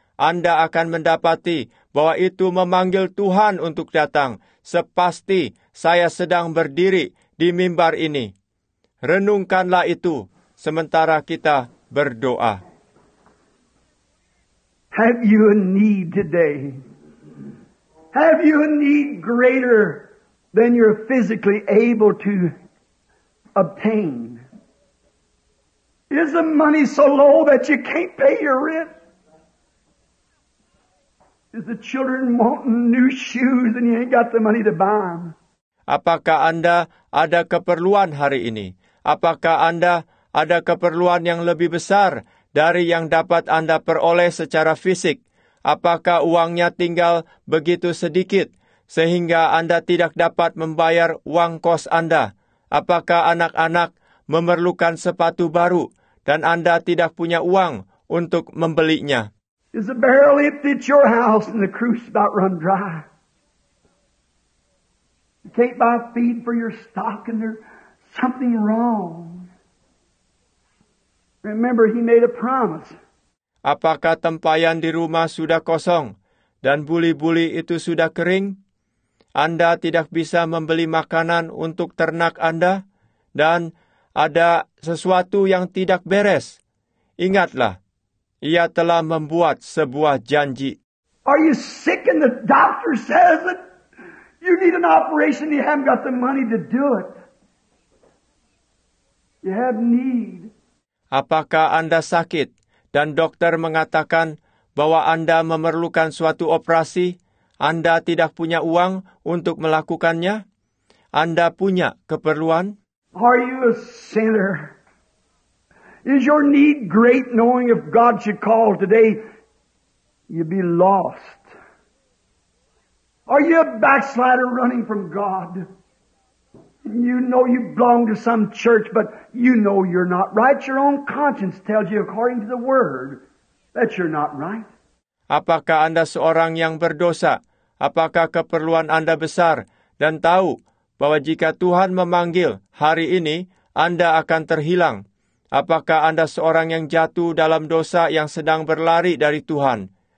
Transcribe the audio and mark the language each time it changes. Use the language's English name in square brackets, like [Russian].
[Indonesian] Anda akan mendapati bahwa itu memanggil Tuhan untuk datang. Sepasti saya sedang berdiri di mimbar ini. Renungkanlah itu sementara kita berdoa. [English] Have you a need today? Have you a need greater than you're physically able to obtain? Is the money so low that you can't pay your rent? Is the children wanting new shoes and you ain't got the money to buy them? [Indonesian] Apakah Anda ada keperluan hari ini? Apakah Anda ada keperluan yang lebih besar dari yang dapat Anda peroleh secara fisik? Apakah uangnya tinggal begitu sedikit sehingga Anda tidak dapat membayar uang kos Anda? Apakah anak-anak memerlukan sepatu baru? Dan Anda tidak punya uang untuk membelinya. [English] Is the barrel empty at your house and the crew's about run dry? You can't buy feed for your stock and there's something wrong. Remember, He made a promise. [Indonesian] Apakah tempayan di rumah sudah kosong dan buli-buli itu sudah kering? Anda tidak bisa membeli makanan untuk ternak Anda dan ada sesuatu yang tidak beres. Ingatlah, Ia telah membuat sebuah janji. [English] Are you sick and the doctor says that you need an operation, you haven't got the money to do it. You have need. [Indonesian] Apakah Anda sakit dan dokter mengatakan bahwa Anda memerlukan suatu operasi? Anda tidak punya uang untuk melakukannya? Anda punya keperluan? [English] Are you a sinner? Is your need great, knowing if God should call today, you'd be lost? Are you a backslider running from God? You know you belong to some church, but you know you're not right. Your own conscience tells you, according to the Word, that you're not right. [Indonesian] Apakah Anda seorang yang berdosa? Apakah keperluan Anda besar? Dan tahu bahwa jika Tuhan memanggil hari ini, Anda akan terhilang. Apakah Anda seorang yang jatuh dalam dosa yang sedang berlari dari Tuhan?